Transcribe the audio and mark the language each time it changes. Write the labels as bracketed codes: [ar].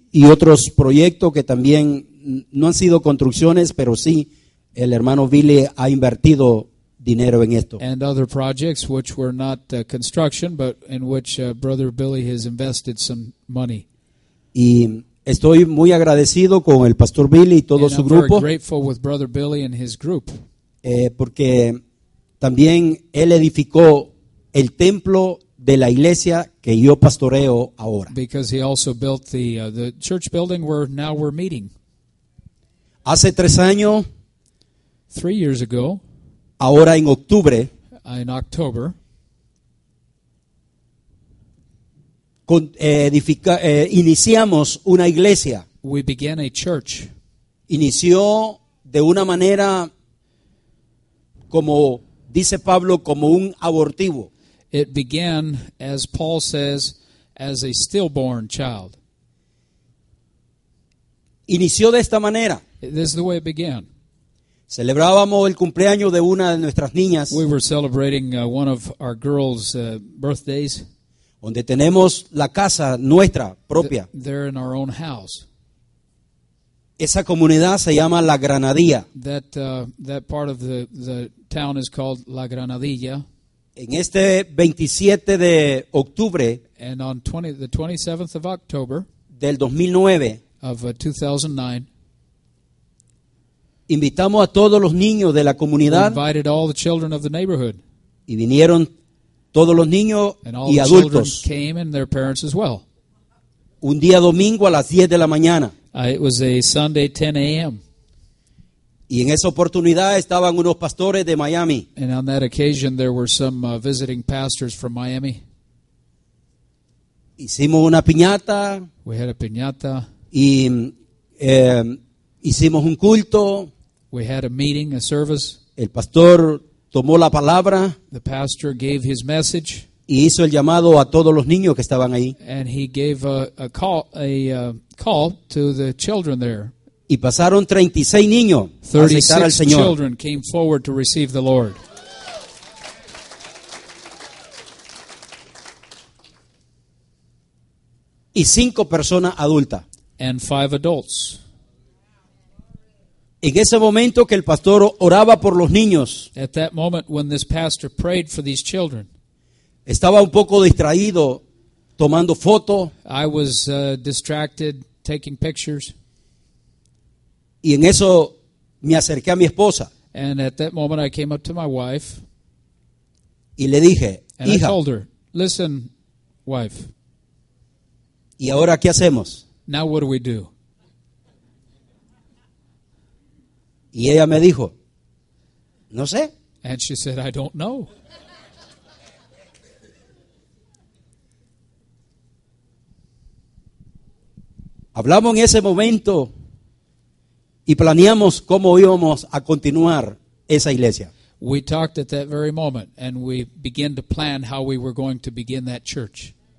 [es] Y otros proyectos que también no han sido construcciones, pero sí, el hermano Billy ha invertido dinero en esto. [en] And other projects which were not construction, but in which Brother Billy has invested some money. [es] Y estoy muy agradecido con el Pastor Billy y todo [en] and [es] su [en] I'm [es] grupo. [en] Very grateful with Brother Billy and his group. [es] Porque también él edificó el templo de la iglesia que yo pastoreo ahora. [en] Because he also built the church building where now we're meeting. [es] Hace 3 años. [en] 3 years ago. [es] Ahora en octubre. [en] In October. [es] Iniciamos una iglesia. [en] We began a church. [es] Inició de una manera, como dice Pablo, como un abortivo. [en] It began, as Paul says, as a stillborn child. [es] Inició de esta manera. [en] This is the way it began. [es] Celebrábamos el cumpleaños de una de nuestras niñas. [en] We were celebrating one of our girls' birthdays. [es] Donde tenemos la casa nuestra propia. [en] They're in our own house. [es] Esa comunidad se llama La Granadilla. [en] That part of the town is called La Granadilla. [es] En este 27 de octubre. [en] And on the 27th of October. [es] Del 2009. [en] Of 2009. [es] Invitamos a todos los niños de la comunidad. [en] We invited all the children of the neighborhood. [es] Y vinieron todos los niños [en] and all [es] y [en] the [es] adultos. [en] Children came and their parents as well. [es] Un día domingo a las 10 de la mañana. [en] It was a Sunday 10 a.m. [es] Y en esa oportunidad estaban unos pastores de Miami. [en] And on that occasion there were some visiting pastors from Miami. [es] Hicimos una piñata. [en] We had a piñata. [es] Y hicimos un culto. [en] We had a meeting, a service. [es] El pastor tomó la palabra. [en] The pastor gave his message. [es] Y hizo el llamado a todos los niños que estaban ahí. [en] And he gave a call to the children there. [es] Y pasaron 36 niños a aceptar al Señor. [en] 36 children came forward to receive the Lord. [es] Y 5 personas adultas. [en] And 5 adults. [es] En ese momento que el pastor oraba por los niños. [en] At that moment when this pastor prayed for these children. [es] Estaba un poco distraído tomando fotos. [en] I was distracted taking pictures. [es] Y en eso me acerqué a mi esposa. [en] And at that moment I came up to my wife. [es] Y le dije, [en] and [es] hija. [en] And I told her, listen, wife. [es] ¿Y ahora qué hacemos? [en] Now what do we do? [es] Y ella me dijo, no sé. [en] And she said, I don't know. [es] Hablamos en ese momento y planeamos cómo íbamos a continuar esa iglesia. [en] We talked at that very moment and we began to plan how we were going to begin that church.